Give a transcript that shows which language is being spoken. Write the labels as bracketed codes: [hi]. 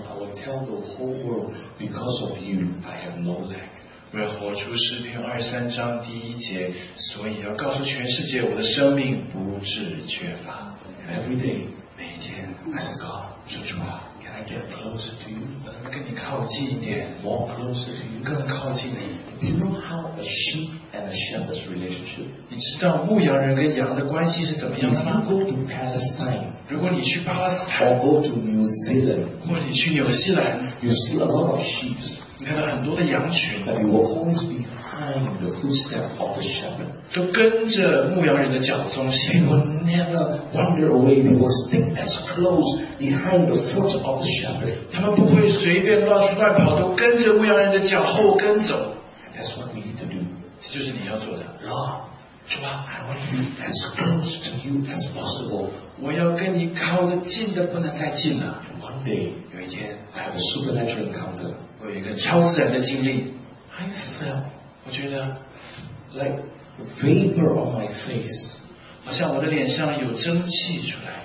[en] I will tell the whole world, because of you, I have no lack. [zh] 我要活出诗篇23章第一节, 所以要告诉全世界我的生命不致缺乏。 [en] Every day, [zh] 每天, [en] I said, God, [zh] 说主啊, [en] can I get closer to you? [zh] 我能不能跟你靠近一点? [en] More closer to you? [zh] 更靠近你。 [en] Do you know how a sheep and a shepherd's relationship? [zh] 你知道牧羊人跟羊的关系是怎么样的吗? [en] If you go to Palestine, [zh] 如果你去巴勒斯坦, [en] or go to New Zealand, [zh] 或你去纽西兰, [en] you see a lot of sheep. [zh] 你看到很多的羊群, [en] but you will always be behind the footsteps of the shepherd. [zh] 都跟着牧羊人的脚踪行, [en] they will never wander away, they will stick as close behind the foot of the shepherd. [zh] 他们不会随便乱出乱跑, 都跟着牧羊人的脚后跟走。 [en] That's what we need to do. [zh] 这就是你要做的。 [en] Lord, [zh] 主啊, [en] I want to be as close to you as possible. [zh] 我要跟你靠得近的不能再近了。 [en] One day, [zh] 有一天, [en] I have a supernatural encounter. [zh] 我有一个超自然的经历。 [en] I felt, [zh] 我觉得, [en] like vapor on my face. [zh] 好像我的脸上有蒸汽出来。